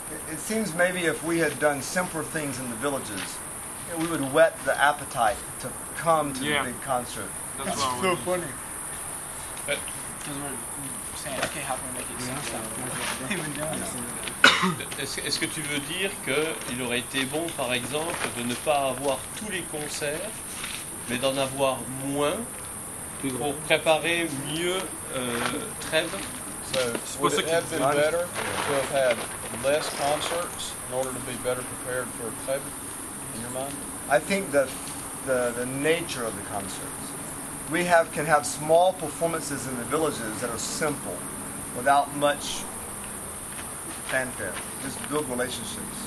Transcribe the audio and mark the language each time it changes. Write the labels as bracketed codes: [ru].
[en] It seems maybe if we had done simpler things in the villages, we would whet the appetite to come to the big concert. That's so funny. Because we're saying, okay, how can we make it sound [fr] Est-ce que tu veux dire qu'il aurait été bon, par exemple, de ne pas avoir tous les concerts, mais d'en avoir moins pour préparer mieux Trev? [en] So, would it have been better to have had less concerts in order to be better prepared for Trev, in your mind? I think that the nature of the concerts. We can have small performances in the villages that are simple, without much fanfare, just build relationships.